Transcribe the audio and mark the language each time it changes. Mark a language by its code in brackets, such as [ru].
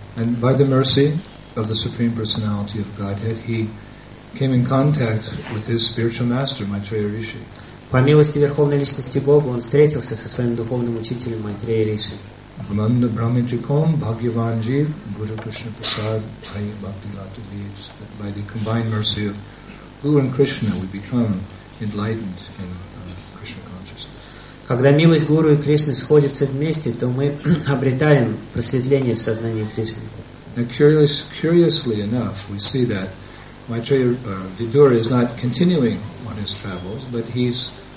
[en] And by the mercy of the Supreme Personality of Godhead, he came in contact with his spiritual master, Maitreya Rishi. [ru] По милости Верховной Личности Бога, он встретился со своим духовным учителем Maitreya Rishi. Brahmanda Brahmichikom Bhagyavan Jeev Guru Krishna Prasad Bhai Bhakti Lata Veeds. [en] By the combined mercy of Guru and Krishna, we become enlightened in Krishna consciousness. [ru] Когда милость Гуру и Кришны сходятся вместе, то мы обретаем просветление в сознании Кришны. [en] Now, curiously enough, we see that Maitreya Vidura is not continuing on his travels, but he's